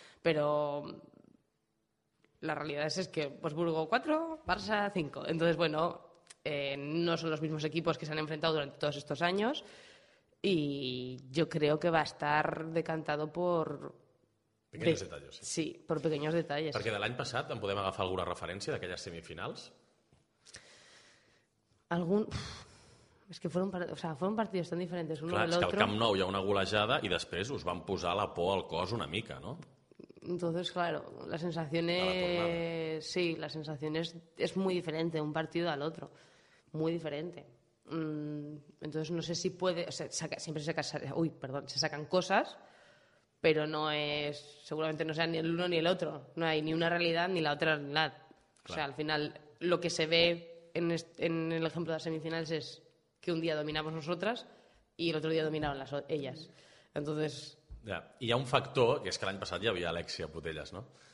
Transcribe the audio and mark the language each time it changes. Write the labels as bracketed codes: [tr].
[es] Pero la realidad es que Wolfsburgo 4, Barça 5. Entonces, bueno, no son los mismos equipos que se han enfrentado durante todos estos años. Y yo creo que va a estar decantado por... Pequeños detalles. Sí, por pequeños detalles. [ca] Perquè de l'any passat en podem agafar alguna referència d'aquelles semifinals? Algun... És que [es] fueron partidos tan [ca] diferents un a l'altre. Clar, és que al Camp Nou hi ha una golejada i després us van posar la por al cos una mica, no? [es] Entonces, claro, la sensación es... Sí, la sensación es muy diferente un partido al otro. Muy diferente. Entonces, no sé si puede... se sacan cosas... Pero no es, seguramente no sea ni el uno ni el otro. No hay ni una realidad ni la otra realidad. Claro. O sea, al final, lo que se ve en el ejemplo de las semifinales es que un día dominamos nosotras y el otro día dominaron ellas. Entonces... [ca] Ja. I hi ha un factor, que és que l'any passat ja havia Alexia Putellas, no?